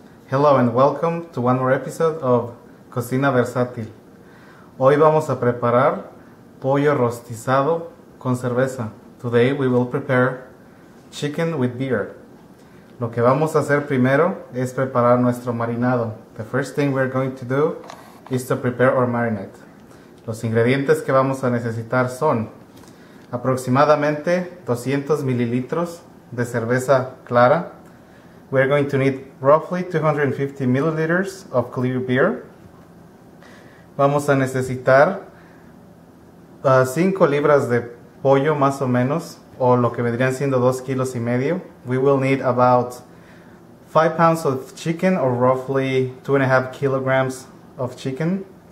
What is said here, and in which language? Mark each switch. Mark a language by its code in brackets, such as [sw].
[en] Hello and welcome to one more episode of Cocina Versátil. [es] Hoy vamos a preparar pollo rostizado con cerveza. [en] Today we will prepare chicken with beer. [es] Lo que vamos a hacer primero es preparar nuestro marinado. [en] The first thing we're going to do is to prepare our marinade. [es] Los ingredientes que vamos a necesitar son aproximadamente 200 mililitros de cerveza clara. [en] We're going to need roughly 250 milliliters of clear beer. [es] Vamos a necesitar 5 libras de pollo más o menos, o lo que vendrían siendo 2 kilos y medio. [en] We will need about 5 pounds of chicken, or roughly 2.5 kilograms of chicken.